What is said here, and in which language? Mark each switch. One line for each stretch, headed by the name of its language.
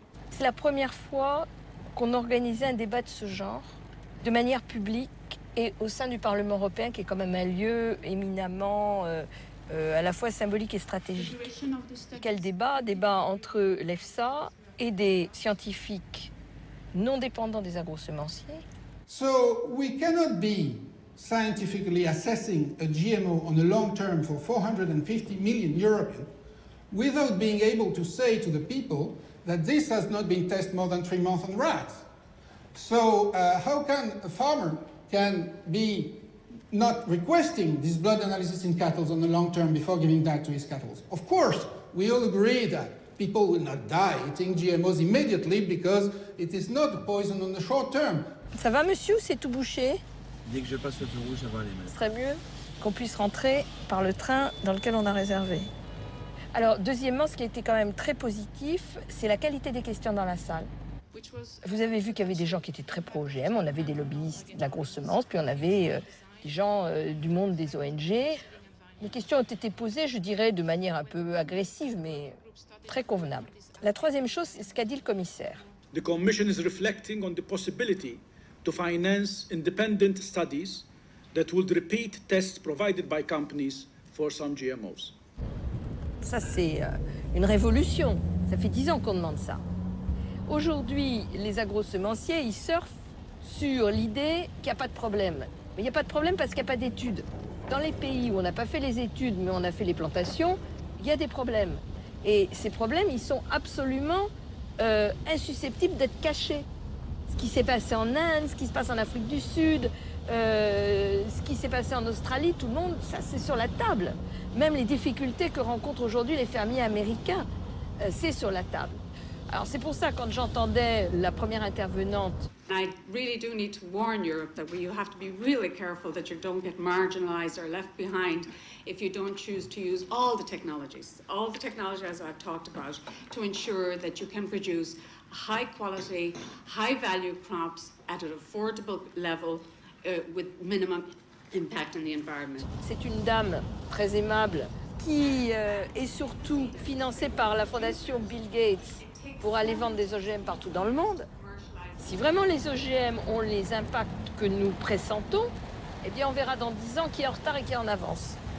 French: C'est la première fois qu'on organisait un débat de ce genre, de manière publique et au sein du Parlement européen, qui est quand même un lieu éminemment à la fois symbolique et stratégique. Quel débat ? Débat entre l'EFSA et des scientifiques non dépendants des agro-semenciers.
English: So we cannot be scientifically assessing a GMO on a long term for 450 million Europeans without being able to say to the people that this has not been tested more than 3 months on rats. So how can a farmer can be not requesting this blood analysis in cattle on the long term before giving that to his cattle? Of course, we all agree that people will not die eating GMOs immediately because it is not a poison on the short term.
French: Ça va, monsieur, c'est tout bouché? Dès que je passe le feu rouge, ça va aller, madame. Ce serait mieux qu'on puisse rentrer par le train dans lequel on a réservé. Alors, deuxièmement, ce qui a été quand même très positif, c'est la qualité des questions dans la salle. Vous avez vu qu'il y avait des gens qui étaient très pro-OGM, on avait des lobbyistes de la grosse semence, puis on avait des gens du monde des ONG. Les questions ont été posées, je dirais, de manière un peu agressive, mais très convenable. La troisième chose, c'est ce qu'a dit le commissaire.
English: The commission is reflecting on the possibility to finance independent studies that would repeat tests provided by companies for some GMOs.
French: Ça, c'est une révolution. Ça fait 10 ans qu'on demande ça. Aujourd'hui, les agro-semenciers, ils surfent sur l'idée qu'il n'y a pas de problème. Mais il n'y a pas de problème parce qu'il n'y a pas d'études. Dans les pays où on n'a pas fait les études, mais on a fait les plantations, il y a des problèmes. Et ces problèmes, ils sont absolument insusceptibles d'être cachés. Ce qui s'est passé en Inde, ce qui se passe en Afrique du Sud, ce qui s'est passé en Australie, tout le monde, ça c'est sur la table. Même les difficultés que rencontrent aujourd'hui les fermiers américains, c'est sur la table. Alors c'est pour ça, quand j'entendais la première intervenante...
English: I really do need to warn Europe that you have to be really careful that you don't get marginalized or left behind if you don't choose to use all the technologies I've talked about, to ensure that you can produce high quality, high value crops at an affordable level with minimum impact on the environment.
French: C'est une dame très aimable qui est surtout financée par la fondation Bill Gates pour aller vendre des OGM partout dans le monde. Si vraiment les OGM ont les impacts que nous pressentons, eh bien on verra dans 10 ans qui est en retard et qui est en avance.